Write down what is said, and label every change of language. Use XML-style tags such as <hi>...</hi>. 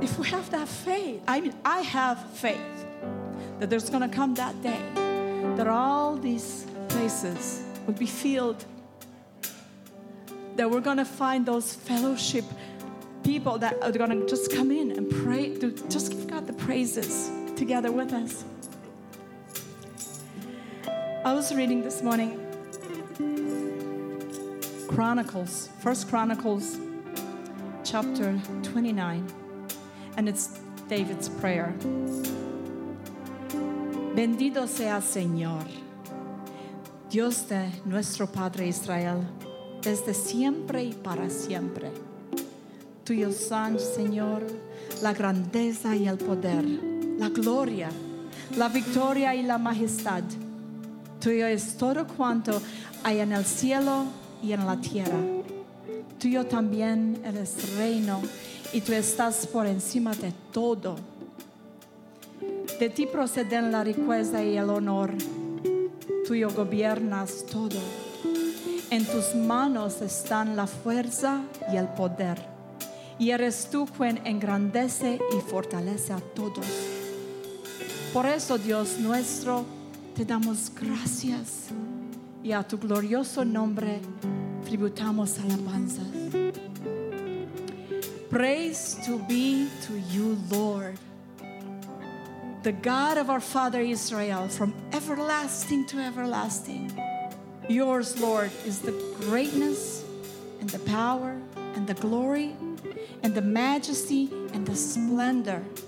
<en>If we have that faith, I mean, I have faith that there's going to come that day that all these places will be filled, that we're going to find those fellowship people that are going to just come in and pray, to just give God the praises together with us. I was reading this morning Chronicles, 1 Chronicles chapter 29, and it's David's prayer.</en> <es>Bendito sea Señor, Dios de nuestro Padre Israel, desde siempre y para siempre. Tuyo son, Señor, la grandeza y el poder, la gloria, la victoria y la majestad. Tuyo es todo cuanto hay en el cielo y en la tierra. Tuyo también eres reino y tú estás por encima de todo. De ti proceden la riqueza y el honor. Tuyo gobiernas todo. En tus manos están la fuerza y el poder. Y eres tú quien engrandece y fortalece a todos. Por eso, Dios nuestro, te damos gracias y a tu glorioso nombre tributamos alabanzas.</es> <en>Praise to be to you, Lord, the God of our father Israel, from everlasting to everlasting. Yours, Lord, is the greatness and the power and the glory and the majesty and the splendor.</en>